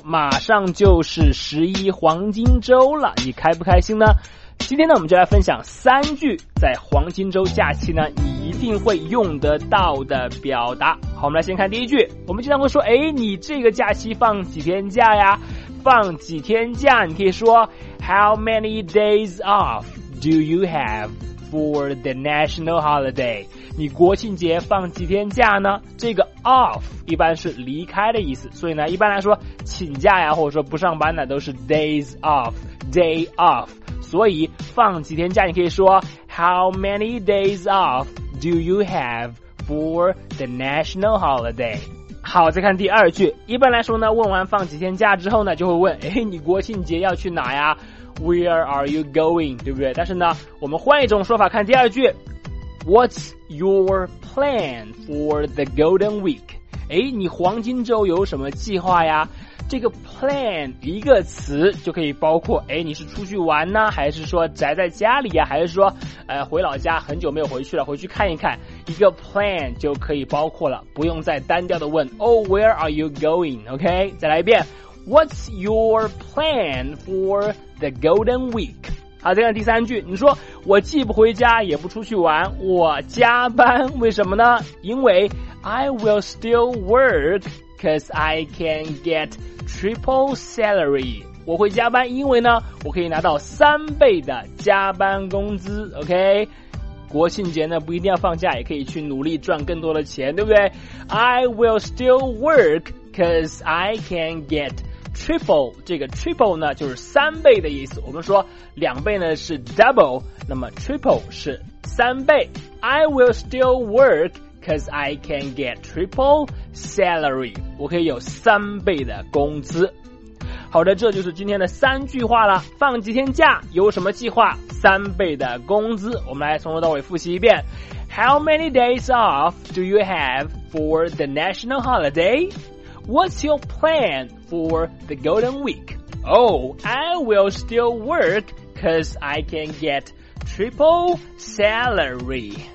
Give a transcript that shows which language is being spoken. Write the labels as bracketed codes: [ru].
[zh] 马上就是11黄金周了，你开不开心呢？今天呢，我们就来分享三句在黄金周假期呢你一定会用得到的表达。好，我们来先看第一句。我们经常会说，诶，你这个假期放几天假呀？放几天假，你可以说 [en] How many days off do you have for the national holiday？ [zh] 你国庆节放几天假呢？这个 off 一般是离开的意思，所以呢一般来说请假呀或者说不上班呢都是 days off， day off。所以放几天假你可以说 [en] How many days off do you have for the national holiday？ [zh] 好，再看第二句。一般来说呢，问完放几天假之后呢，就会问，诶，你国庆节要去哪呀？ [en] Where are you going， [zh] 对不对？但是呢我们换一种说法看第二句。 [en] What's your plan for the Golden Week？ [zh] 诶，你黄金周有什么计划呀？这个 plan 一个词就可以包括，诶，你是出去玩呢，还是说宅在家里呀，还是说回老家很久没有回去了，回去看一看。一个 plan 就可以包括了，不用再单调的问 [en] Oh, where are you going? [zh] OK, 再来一遍。 [en] What's your plan for the Golden Week? [zh] 好，再看第三句。你说我既不回家也不出去玩，我加班，为什么呢？因为 [en] I will still work because I can get triple salary。 [zh] 我会加班，因为呢我可以拿到三倍的加班工资。 OK, 国庆节呢不一定要放假，也可以去努力赚更多的钱，对不对？ [en] I will still work because I can get triple， [zh] 这个 triple 呢就是三倍的意思。我们说两倍呢是 double， 那么 triple 是三倍。 [en] I will still work because I can get triple salary， [zh] 我可以有三倍的工资。好的，这就是今天的三句话了。放几天假有什么计划？三倍的工资。我们来从头到尾复习一遍。 [en] How many days off do you have for the national holiday? What's your plan for the Golden Week? Oh, I will still work because I can get triple salary.